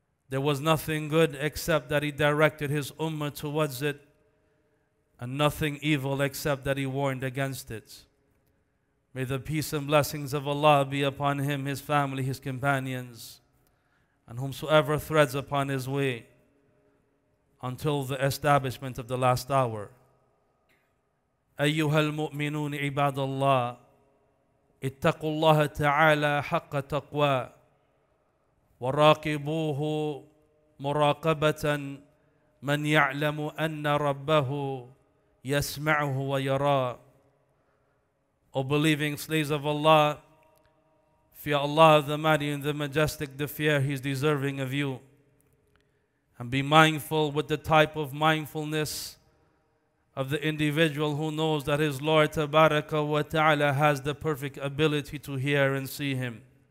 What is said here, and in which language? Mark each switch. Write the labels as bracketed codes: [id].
[en] There was nothing good except that He directed His ummah towards it, and nothing evil except that He warned against it. May the peace and blessings of Allah be upon him, his family, his companions, and whomsoever treads upon his way until the establishment of the last hour. [ar] أيها المؤمنون عباد الله اتقوا الله تعالى حق تقوى وراقبوه مراقبة من يعلم أن ربه يسمعه ويرى. [en] O believing slaves of Allah, fear Allah the Mighty and the Majestic, the fear He is deserving of you. And be mindful with the type of mindfulness of the individual who knows that his Lord Tabaraka wa Ta'ala has the perfect ability to hear and see him.